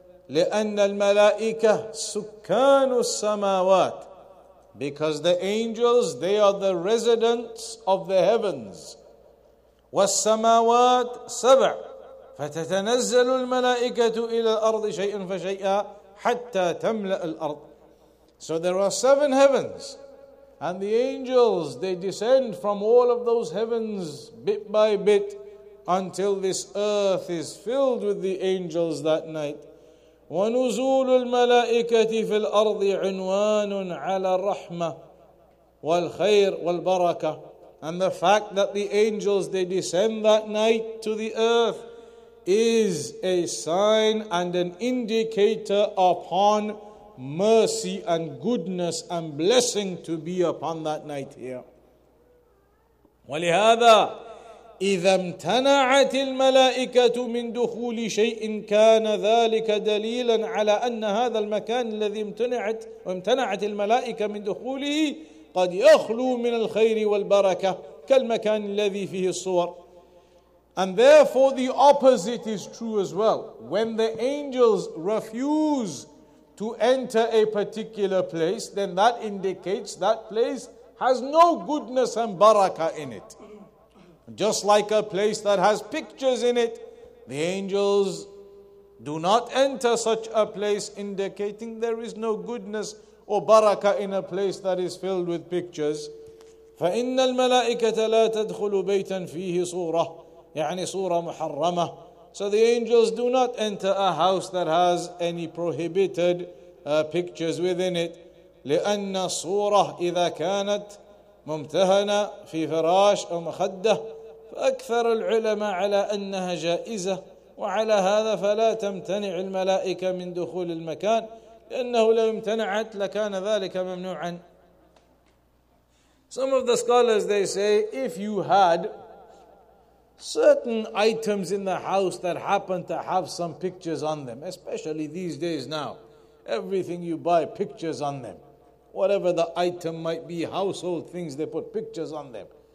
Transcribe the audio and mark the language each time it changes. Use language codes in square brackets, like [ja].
[ar] لأن الملائكة سكان السماوات. [en] Because the angels, they are the residents of the heavens. [ar] والسماوات سبع فتتنزل الملائكة إلى الأرض شيئا فشيئا حتى تملأ الأرض. [en] So there are 7 heavens, and the angels, they descend from all of those heavens bit by bit until this earth is filled with the angels that night. [ar] ونزول الملائكة في الأرض عنوان على الرحمة والخير والبركة. [en] And the fact that the angels, they descend that night to the earth, is a sign and an indicator upon mercy and goodness and blessing to be upon that night here. [ar] ولهذا إذا امتنعت الملائكة من دخول شيء كان ذلك دليلا على أن هذا المكان الذي امتنعت الملائكة من دخوله قد يخلو من الخير والبركة كالمكان الذي فيه الصور. [en] And therefore the opposite is true as well. When the angels refuse to enter a particular place, then that indicates that place has no goodness and barakah in it. Just like a place that has pictures in it, the angels do not enter such a place, indicating there is no goodness or barakah in a place that is filled with pictures. [ar] فَإِنَّ الْمَلَائِكَةَ لَا تَدْخُلُ بَيْتًا فِيهِ صُورَةً يعني صورة محرمة. [en] So the angels do not enter a house that has any prohibited pictures within it. [ar] لِأَنَّ الصُورَةَ إِذَا كَانَتْ ممتهنة في فراش أو مخدة فأكثر العلماء على أنها جائزة وعلى هذا فلا تمتنع الملائكة من دخول المكان لأنه لو امتنعت لكان ذلك ممنوعا. [en] Some of the scholars, they say, if you had certain items in the house that happen to have some pictures on them, especially these days now, everything you buy pictures on them. Whatever the item might be, household things, they put pictures on them.